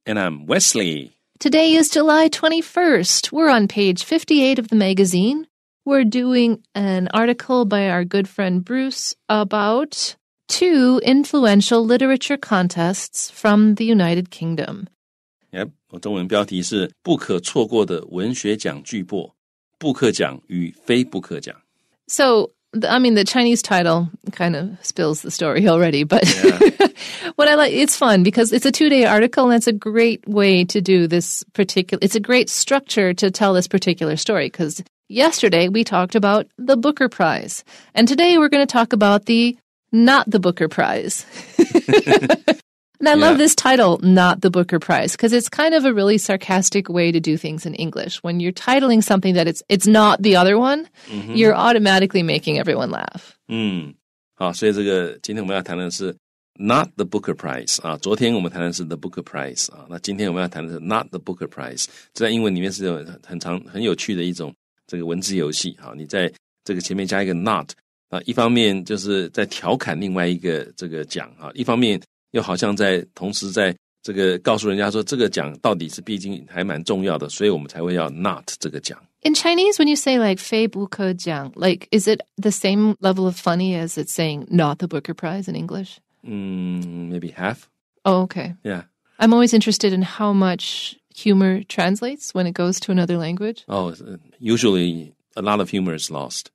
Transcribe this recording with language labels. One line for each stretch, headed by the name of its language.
English: And I'm Wesley. Today is July 21st. We're on page 58 of the magazine. We're doing an article by our good friend Bruce about two influential literature contests from the United Kingdom.
Chinese: Yep, 我中文标题是不可错过的文学奖巨擘，布克奖与非布克奖。
English: So, I mean, the Chinese title kind of spills the story already, but yeah. What I like, it's fun because it's a two-day article and it's a great way to do this particular, it's a great structure to tell this particular story because yesterday we talked about the Booker Prize and today we're going to talk about the not the Booker Prize. And I love this title, Not the Booker Prize, because it's kind of a really sarcastic way to do things in English. When you're titling something that it's not the other one, you're automatically making everyone laugh.
Chinese: 好，所以这个今天我们要谈的是 Not the Booker Prize. 昨天我们谈的是 The Booker Prize. 那今天我们要谈的是 Not the Booker Prize. 这在英文里面是很长很有趣的一种这个文字游戏。你在这个前面加一个 not， 一方面就是在调侃另外一个这个奖， 一方面 又好像在同时在这个告诉人家说这个奖到底是毕竟还蛮重要的，所以我们才会要not这个奖。
English: In Chinese, when you say like 非不可奖, like is it the same level of funny as it's saying not the Booker Prize in English? Maybe half. Oh, okay. Yeah. I'm always interested in how much humor translates when it goes to another language. Oh, usually a lot of humor is lost.